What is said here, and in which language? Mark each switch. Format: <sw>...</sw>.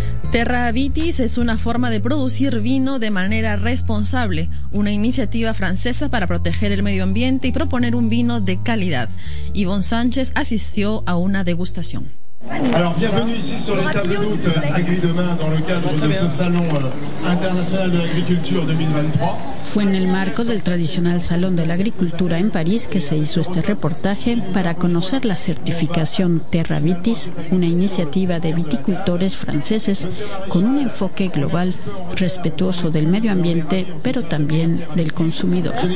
<es>Terra Vitis es una forma de producir vino de manera responsable, una iniciativa francesa para proteger el medio ambiente y proponer un vino de calidad. Yvonne Sánchez asistió a una degustación.</es> <fr>Alors, bienvenue ici sur les tables d'hôtes AgriDemain dans le cadre de ce Salon International de l'Agriculture 2023.</fr> <es>Fue en el marco del tradicional Salón de la Agricultura en París que se hizo este reportaje para conocer la certificación Terra Vitis, una iniciativa de viticultores franceses con un enfoque global, respetuoso del medio ambiente, pero también del consumidor.</es>